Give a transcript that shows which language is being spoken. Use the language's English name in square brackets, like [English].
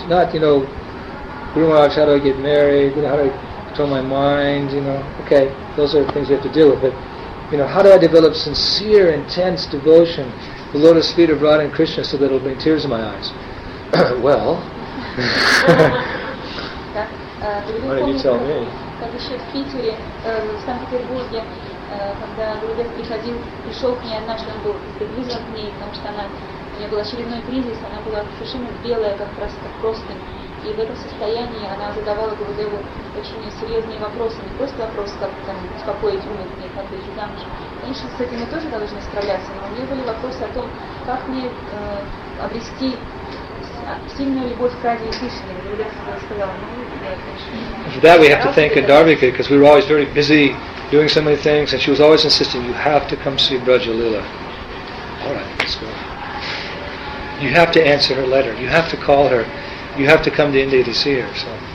[English] Not, you know, Guru Maharaj, how do I get married? You know, how do I control my mind? You know, okay, those are things you have to deal with. But, you know, how do I develop sincere, intense devotion to the lotus feet of Radha and Krishna so that it'll bring tears in my eyes? Well... [Russian] Как еще в Питере, в Санкт-Петербурге, когда Гурудев приходил, пришел к ней однажды, он был приближен к ней, потому что она, у нее был очередной кризис, она была совершенно белая, как просто простынь. И в этом состоянии она задавала Гурудеву очень серьезные вопросы, не просто вопрос, как там успокоить ум, как выйти замуж. Конечно, с этим мы тоже должны справляться, но у нее были вопросы о том, как мне обрести сильная любовь к Раде и Кришне, Гурудас сказал, ну, конечно. [English] For that we have to thank Kandarvika, because we were always very busy doing so many things, and she was always insisting, you have to come see Braja Lila. All right, let's go. You have to answer her letter. You have to call her. You have to come to India to see her. So.